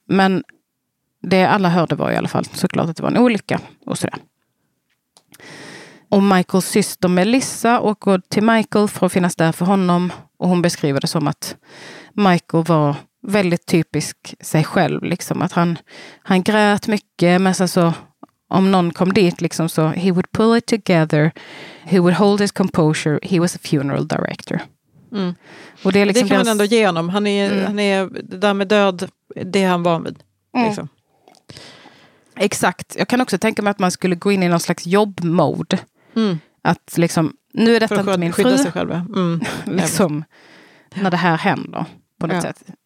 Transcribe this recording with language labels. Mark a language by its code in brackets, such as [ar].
[sv] Men det alla hörde var i alla fall såklart att det var en olycka och sådär. Och Michaels syster Melissa åker till Michael för att finnas där för honom. Och hon beskriver det som att Michael var väldigt typisk sig själv. Liksom. Att han grät mycket, men sen så om någon kom dit liksom, så [en] he would pull it together, he would hold his composure, he was a funeral director. [sv] Mm. Och det, är liksom det kan man ändå ge honom. Han är där med död, det han var med. Liksom. Mm. Exakt. Jag kan också tänka mig att man skulle gå in i någon slags jobb-mode. Mm. Att liksom, nu är detta inte min fru. Skydda sig själv. Mm. liksom, när det här händer på något sätt.